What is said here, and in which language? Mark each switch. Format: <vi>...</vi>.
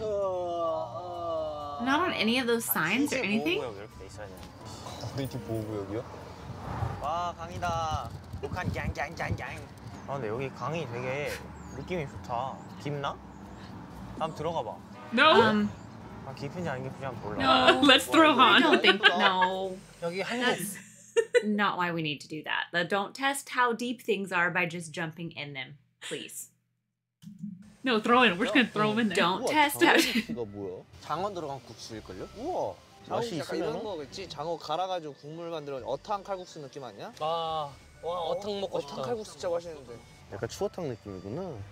<en>Not on any of those signs or anything?</en> <ko>보호구역 이렇게 돼 있어야 돼. 어디 있지, 보호구역이야? 와, 강이다. 북한 갱갱갱갱. 아, 근데 여기 강이 되게 느낌이 좋다. 깊나? 한번 들어가 봐.</ko> <en>No.</en> <ko>아, 깊은지 아닌 깊은지 한번 몰라.</ko> <en>No. Let's throw him on. Don't think. No.</en> <ko>여기 한국.</ko> <en>That's not why we need to do that. Don't test how deep things are by just jumping in them, please. No, throw in. We're just gonna throw them in there. Don't 우와, test it.</en> <ko>이거 뭐야? 장어 들어간 국수일걸요? 우와. 맛이 있어요? 이런 거겠지. 장어 갈아가지고 국물 만들어. 어탕 칼국수 느낌 아니야? 아, 와 어탕 먹고 싶다. 어탕 칼국수 진짜 맛있는데. 약간 추어탕 느낌이구나.</ko>